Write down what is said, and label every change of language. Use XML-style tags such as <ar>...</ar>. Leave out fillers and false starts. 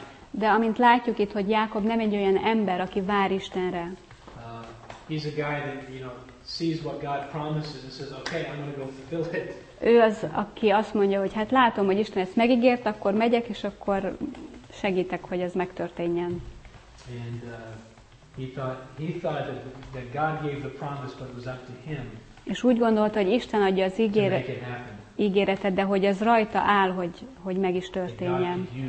<hu>De amint látjuk itt, hogy Jákob nem egy olyan ember, aki vár Istenre.</hu> <en>He's a guy that, you know, sees what God promises and says, okay, I'm going to go fulfill it.</en> <hu>Ő az, aki azt mondja, hogy hát látom, hogy Isten ezt megígért, akkor megyek, és akkor segítek, hogy ez megtörténjen.</hu> <en>And he thought that God gave the promise, but it was up to him.</en> <hu>És úgy gondolta, hogy Isten adja az ígéretet, de hogy ez rajta áll, hogy meg is történjen.</hu>